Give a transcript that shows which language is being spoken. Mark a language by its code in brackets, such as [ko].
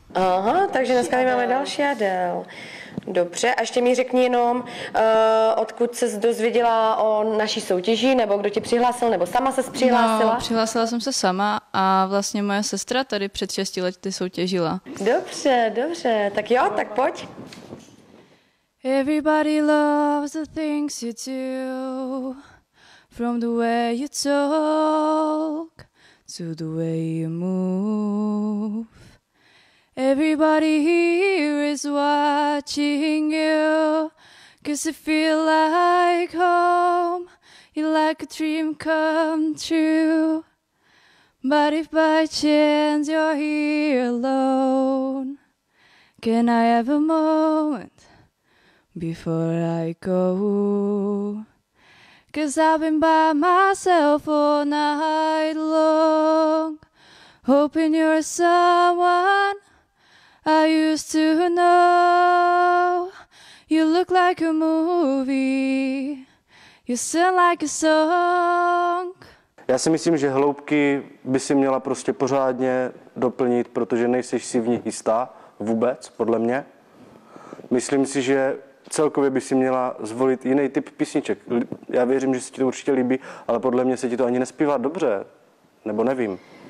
[cs] Aha, takže dneska máme další Adele. Dobře, a ještě mi řekni jenom, odkud se dozvěděla o naší soutěži, nebo kdo ti přihlásil, nebo sama se přihlásila? No, přihlásila jsem se sama a vlastně moje sestra tady před 6 lety soutěžila. Dobře, tak jo, tak pojď. [en] Everybody loves the things you do, from the way you talk to the way you move. Everybody here is watching you, 'cause it feel like home, you like a dream come true. But if by chance you're here alone, can I have a moment before I go? 'Cause I've been by myself all night long, hoping you're someone I used to know. You look like a movie, you sound like a song. [cs] Já si myslím, že hloubky by si měla prostě pořádně doplnit, protože nejseš si v ní jistá vůbec, podle mě. Myslím si, že celkově by si měla zvolit jiný typ písniček. Já věřím, že se ti to určitě líbí, ale podle mě se ti to ani nespívá dobře, nebo nevím.